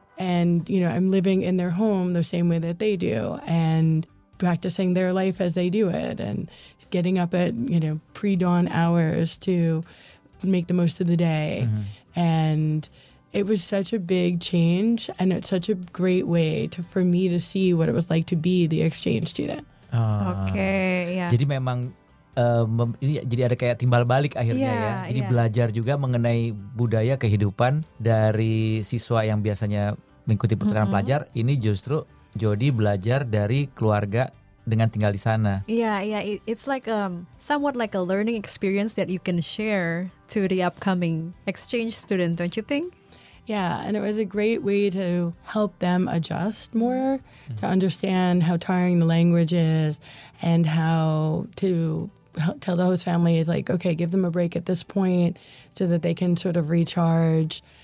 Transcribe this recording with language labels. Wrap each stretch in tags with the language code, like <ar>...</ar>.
<en>And, you know, I'm living in their home the same way that they do, and practicing their life as they do it, and getting up at, you know, pre-dawn hours to make the most of the day. Mm-hmm. And it was such a big change, and it's such a great way to for me to see what it was like to be the exchange student.</en> <id>Jadi memang ini jadi ada kayak timbal balik akhirnya Jadi belajar juga mengenai budaya kehidupan dari siswa yang biasanya mengikuti pertukaran pelajar. Ini justru Jody belajar dari keluarga dengan tinggal di sana.</id> <en>It's like somewhat like a learning experience that you can share to the upcoming exchange student, don't you think? Yeah, and it was a great way to help them adjust more, to understand how tiring the language is and how to help tell the host family, like, okay, give them a break at this point so that they can sort of recharge.</en>